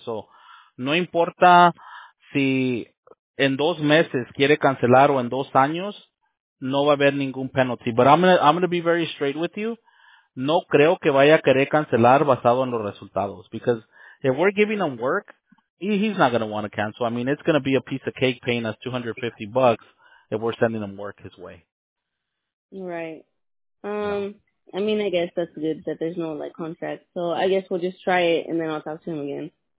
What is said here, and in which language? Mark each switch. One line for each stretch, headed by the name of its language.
Spanish: So no importa si en dos meses quiere cancelar o en dos años, no va a haber ningún penalty.
English: But I'm gonna be very straight with you.
Spanish: No creo que vaya a querer cancelar basado en los resultados.
English: Because if we're giving him work, he's not going to want to cancel. I mean, it's going to be a piece of cake paying us $250 if we're sending him work his way. Right. I mean, I guess that's good that there's no, like, contract. So I guess we'll just try it, and then I'll talk to him again.